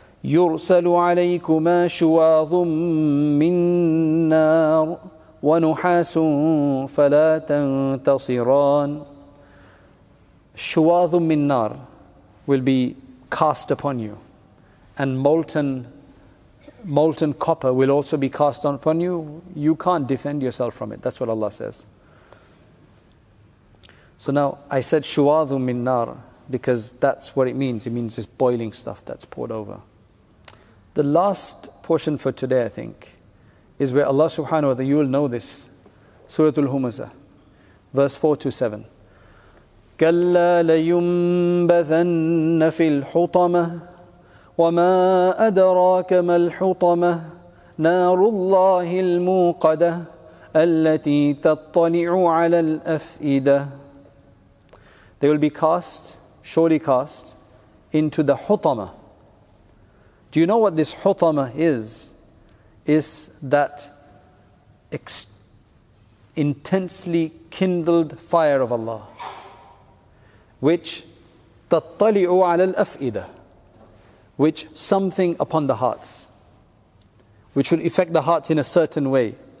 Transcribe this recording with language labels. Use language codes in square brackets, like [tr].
[ar] يُرْسَلُ عَلَيْكُمَا شُوَاظٌ مِّن نَارٌ وَنُحَاسٌ فَلَا تَنْتَصِرَانٌ. شُوَاظٌ مِّن نَارٌ [en] will be cast upon you, and molten copper will also be cast upon you. You can't defend yourself from it. That's what Allah says. So now I said shuwadhu min nar, because that's what it means. It means this boiling stuff that's poured over. The last portion for today, I think, is where Allah subhanahu wa ta'ala, you will know this, Suratul Humazah, verse 4-7. [ar] كلا لينبذن في الحطمة وما أدراك ما الحطمة نار الله الموقدة التي تطلع على الأفئدة. [en] They will be cast, surely cast, into the hutama. Do you know what this hutama is? It's that intensely kindled fire of Allah, which tattali'u 'ala al-af'ida, which something upon the hearts, which will affect the hearts in a certain way.